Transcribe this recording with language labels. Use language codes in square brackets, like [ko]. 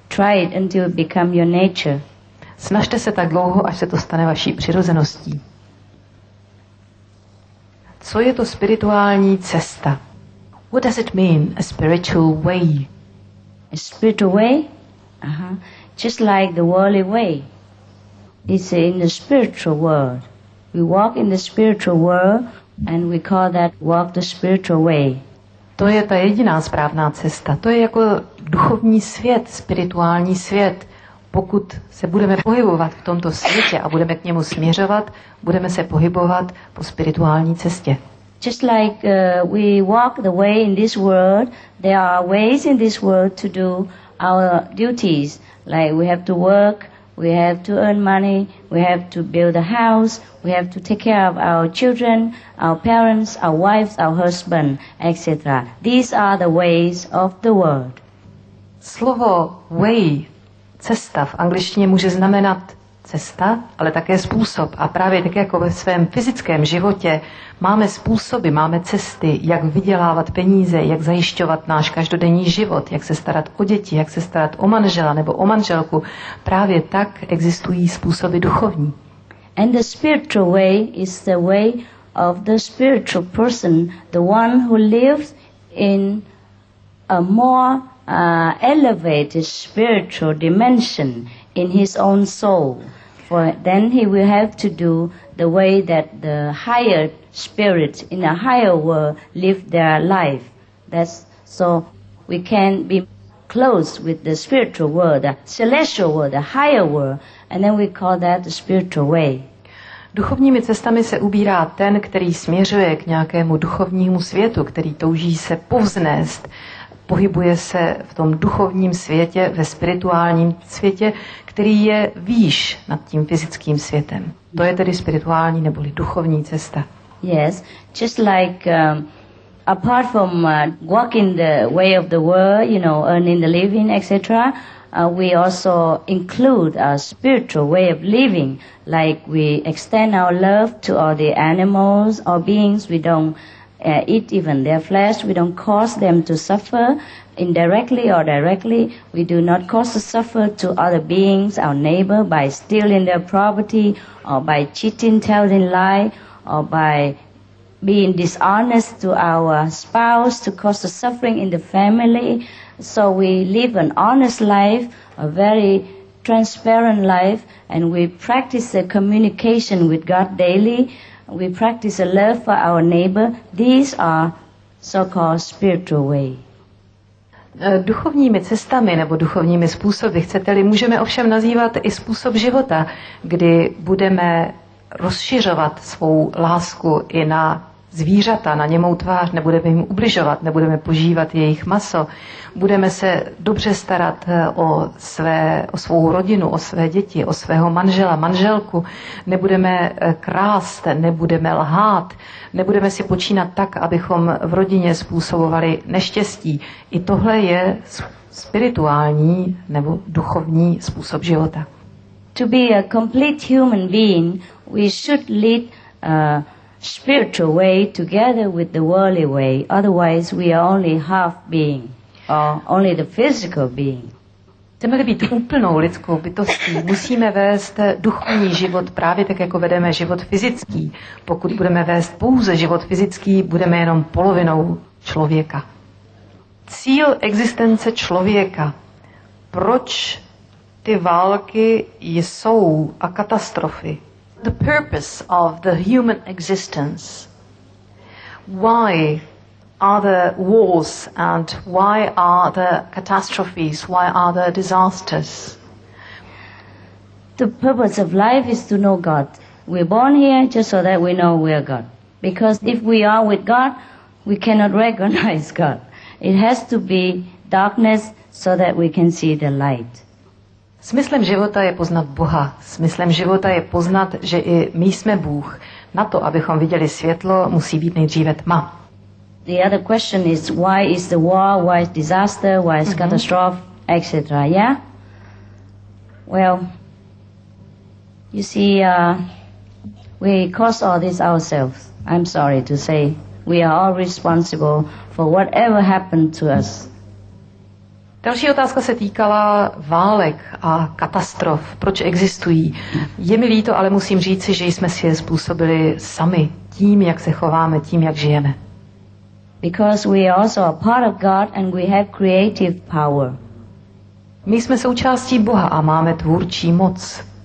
[en] Try it until it becomes your nature. [cs] Snažte se tak dlouho, až se to stane vaší přirozeností. Co je to spirituální cesta? [en] What does it mean, a spiritual way? A spiritual way? Just like the worldly way. It's in the spiritual world. We walk in the spiritual world and we call that walk the spiritual way. [cs] To je ta jediná správná cesta. To je jako duchovní svět, spirituální svět. Pokud se budeme pohybovat v tomto světě a budeme k němu směřovat, budeme se pohybovat po spirituální cestě. [en] Just like we walk the way in this world, there are ways in this world to do our duties. Like we have to work, we have to earn money, we have to build a house, we have to take care of our children, our parents, our wives, our husband, etc. These are the ways of the world. [cs] Slovo way, cesta v angličtině může znamenat cesta, ale také způsob. A právě tak jako ve svém fyzickém životě máme způsoby, máme cesty, jak vydělávat peníze, jak zajišťovat náš každodenní život, jak se starat o děti, jak se starat o manžela nebo o manželku. Právě tak existují způsoby duchovní. [en] And the spiritual way is the way of the spiritual person, the one who lives in a more elevated spiritual dimension in his own soul. For then he will have to do the way that the higher spirit in a higher world live their life. That's so we can be close with the spiritual world, the celestial world, the higher world, and then we call that the spiritual way. [cs] Duchovními cestami se ubírá ten, který směřuje k nějakému duchovnímu světu, který touží se povznést. Pohybuje se v tom duchovním světě, ve spirituálním světě, který je výš nad tím fyzickým světem. To je tedy spirituální neboli duchovní cesta. [en] Yes, just like apart from walking the way of the world, you know, earning the living, etc., we also include our spiritual way of living, like we extend our love to all the animals or beings. We don't eat even their flesh. We don't cause them to suffer indirectly or directly. We do not cause to suffer to other beings, our neighbor, by stealing their property or by cheating, telling lie, or by being dishonest to our spouse to cause the suffering in the family. So we live an honest life, a very transparent life, and we practice the communication with God daily. We practice a love for our neighbor. These are so-called spiritual way. [cs] Duchovními cestami nebo duchovními způsoby, chcete-li, můžeme ovšem nazývat i způsob života, kdy budeme rozšiřovat svou lásku i na zvířata, na němou tvář, nebudeme jim ubližovat, nebudeme požívat jejich maso, budeme se dobře starat o svou rodinu, o své děti, o svého manžela, manželku, nebudeme krást, nebudeme lhát, nebudeme si počínat tak, abychom v rodině způsobovali neštěstí. I tohle je spirituální nebo duchovní způsob života. [en] To be a complete human being, we should lead spiritual way together with the worldly way, otherwise we are only half being or only the physical being. [cs] Chceme-li být úplnou lidskou bytostí, musíme vést duchovní život právě tak, jako vedeme život fyzický. Pokud budeme vést pouze život fyzický, budeme jenom polovinou člověka. Cíl existence člověka. Proč ty války jsou a katastrofy? [en] The purpose of the human existence. Why are the wars and why are the catastrophes? Why are the disasters? The purpose of life is to know God. We're born here just so that we know we are God. Because if we are with God, we cannot recognize God. It has to be darkness so that we can see the light. [cs] Smyslem života je poznat Boha. Smyslem života je poznat, že i my jsme Bůh. Na to, abychom viděli světlo, musí být nejdříve tma. [en] The other question is why is the war, why is disaster, why is catastrophe, etc. Yeah? Well, you see, we cause all this ourselves. I'm sorry to say, we are all responsible for whatever happened to us. [cs] Další otázka se týkala válek a katastrof. Proč existují? Je mi líto, ale musím říci, že jsme si je způsobili sami, tím, jak se chováme, tím, jak žijeme. [en] Because we are also a part of God and we have creative power. [cs] My jsme součástí Boha a máme tvůrčí moc.